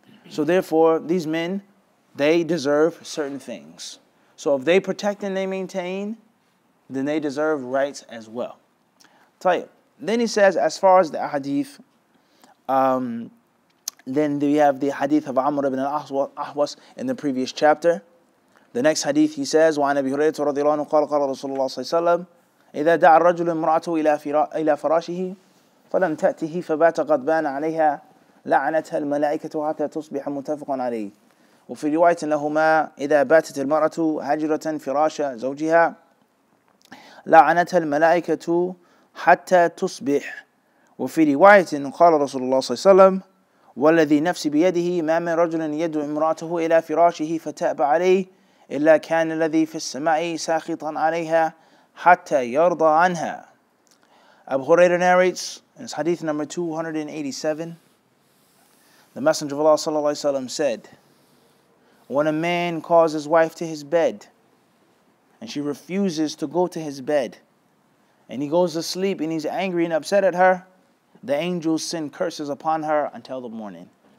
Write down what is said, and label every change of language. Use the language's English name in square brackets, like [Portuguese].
[English] So therefore, these men, they deserve certain things. So if they protect and they maintain, then they deserve rights as well. Tayyip. Then he says, as far as the hadith, then we have the hadith of Amr ibn al-Ahwas in the previous chapter. The next hadith he says, [Arabic] وَعَنَ أَبِي هُرَيْرَةَ رَضِيَ اللَّهُ عَنْهُ قَالَ قَالَ رَسُولُ اللَّهِ صَلَّى اللَّهُ عَلَيْهِ وَسَلَّمَ إِذَا دَعَ الرَّجُلُ امْرَأَتَهُ إِلَى فِرَاشِهِ فلم تأته فبات غضبان عليها لعنتها الملائكة حتى تصبح متفقا عليه. وفي رواية لهما إذا باتت المرأة هاجرة فراش زوجها لعنتها الملائكة حتى تصبح. وفي رواية قال رسول الله صلى الله عليه وسلم والذي نفسي بيده ما من رجل يدعو امرأته إلى فراشه فتأب عليه إلا كان الذي في السماء ساخطا عليها حتى يرضى عنها. [English] Abu Huraira narrates, in Hadith number 287, the Messenger of Allah sallallahu alaihi wasallam said, when a man calls his wife to his bed, and she refuses to go to his bed, and he goes to sleep and he's angry and upset at her, the angels send curses upon her until the morning.